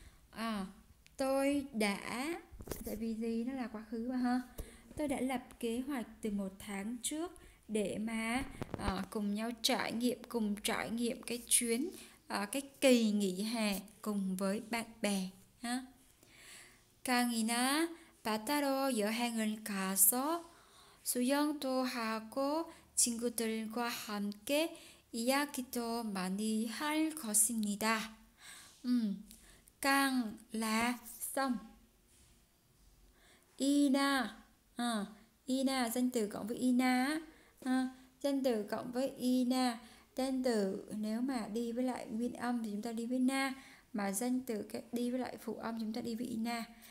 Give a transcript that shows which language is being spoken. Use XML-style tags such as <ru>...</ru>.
<vi>À, tôi đã, tại vì gì, nó là quá khứ mà ha, tôi đã lập kế hoạch từ một tháng trước để mà cùng nhau trải nghiệm, cùng trải nghiệm cái chuyến cái kỳ nghỉ hè cùng với bạn bè ha.</vi> <ko>강이나 바다로 여행을 가서 수영도 하고 친구들과 함께 이야기도 많이 할 것입니다.</ko> <vi>강 là sông. 이나, ina, danh từ cộng với ina, danh từ cộng với ina, danh từ nếu mà đi với lại nguyên âm thì chúng ta đi với na, mà danh từ cái đi với lại phụ âm chúng ta đi với ina.</vi>